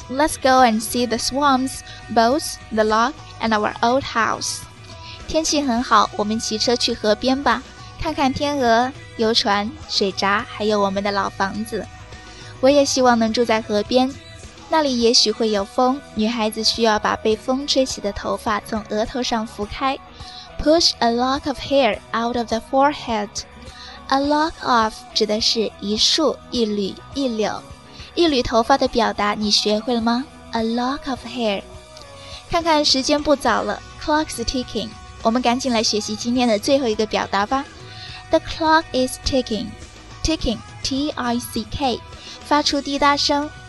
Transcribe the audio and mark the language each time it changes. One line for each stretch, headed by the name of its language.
English: Let's go and see the swamps, boats, the lock, and our old house.
Chinese: 天气很好，我们骑车去河边吧，看看天鹅、游船、水闸，还有我们的老房子。我也希望能住在河边。那里也许会有风，女孩子需要把被风吹起的头发从额头上拂开。
English: Push a lock of hair out of the forehead.
Chinese: A lock of 指的是一束、一缕、一绺。一缕头发的表达你学会了吗？
English: A lock of hair.
Chinese: 看看时间不早了，
English: clock's ticking.
Chinese: 我们赶紧来学习今天的最后一个表达吧。
English: The clock is ticking. Ticking, T-I-C-K,
Chinese: 发出滴答声。